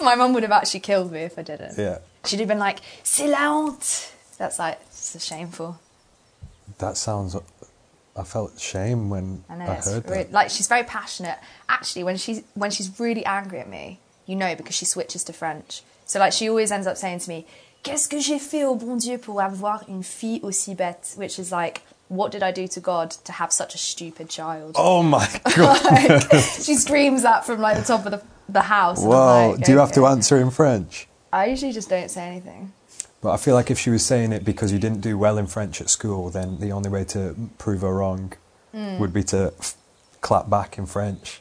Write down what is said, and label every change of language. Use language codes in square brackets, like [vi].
[en] My mum would have actually killed me if I didn't. Yeah. She'd have been like, [fr] c'est la honte. [en] That's like, it's a shameful. I felt shame when I heard that. Like, she's very passionate. Actually, when she's really angry at me, you know, because she switches to French. So, like, she always ends up saying to me, [fr] qu'est-ce que j'ai fait au bon Dieu pour avoir une fille aussi bête? [en] Which is like, what did I do to God to have such a stupid child? Oh, my God. Like, she screams that from, like, the top of the house. Well, like, do you have to answer in French? I usually just don't say anything. But I feel like if she was saying it because you didn't do well in French at school, then the only way to prove her wrong would be to clap back in French.